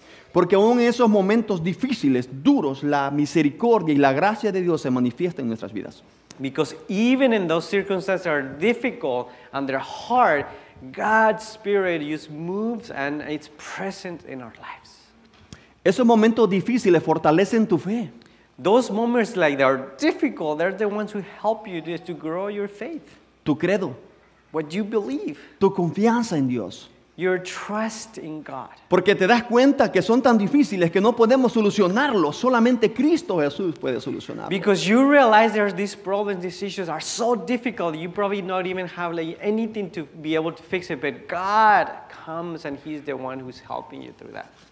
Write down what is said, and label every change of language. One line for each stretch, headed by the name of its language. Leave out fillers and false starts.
Spanish: Porque aún en esos momentos difíciles, duros, la misericordia y la gracia de Dios se manifiesta en nuestras vidas.
English: Because even in those circumstances that are difficult and they're hard, God's Spirit just moves and it's present in our lives.
Spanish: Esos momentos difíciles fortalecen tu fe.
English: Those moments like that are difficult, they're the ones who help you just to grow your faith.
Spanish: Tu credo.
English: What you believe.
Spanish: Tu confianza en Dios.
English: Your trust in God.
Spanish: Porque te das cuenta que son tan difíciles que no podemos solucionarlos. Solamente Cristo Jesús puede solucionarlos.
English: Because you realize there's these problems, these issues are so difficult, you probably not even have like anything to be able to fix it. But God comes and He's the one who's helping you through that.